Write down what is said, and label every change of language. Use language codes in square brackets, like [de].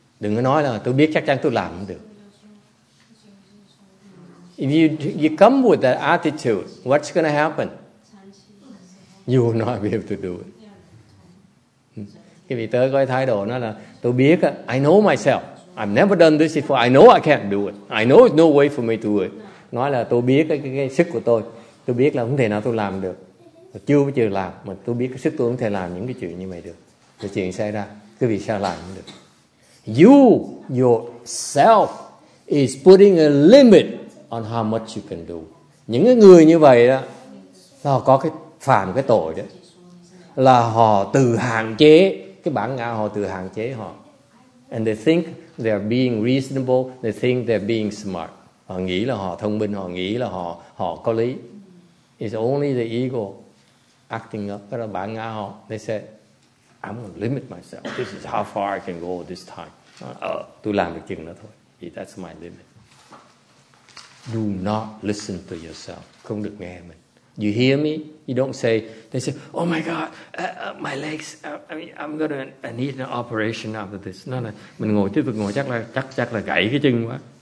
[vi] Đừng có nói là tôi biết chắc chắn tôi làm không được. [en] If you come with that attitude, what's going to happen? You will not be able to do it. [vi] Cái vị tới coi thái độ nó là tôi biết, [en] I know myself. I've never done this before. I know I can't do it. I know there's no way for me to do it. [vi] Nói là tôi biết cái sức của tôi. Tôi biết là không thể nào tôi làm được. Chưa làm, mà tôi biết cái sức tôi không thể làm những cái chuyện như vậy được. Cái chuyện xảy ra, cái việc sao làm cũng được. [en] You, yourself, is putting a limit on how much you can do. [vi] Những cái người như vậy đó, họ có cái phạm cái tội đó. Là họ tự hạn chế, cái bản ngã họ tự hạn chế họ. [en] And they think they are being reasonable, they think they are being smart. [vi] Họ nghĩ là họ thông minh, họ nghĩ là họ có lý. [en] It's only the ego acting up. [vi] Đó là bản ngã họ. [en] They said, I'm going to limit myself. This is how far I can go this time. [vi] Tôi làm được chừng đó thôi. [en] That's my limit. Do not listen to yourself. [vi] Không được nghe mình. [en] You hear me? You don't say, they say, oh my God, my legs, I'm going to need an operation after this. No, no. [vi] Mình ngồi tiếp tục ngồi, chắc là gãy cái chân quá.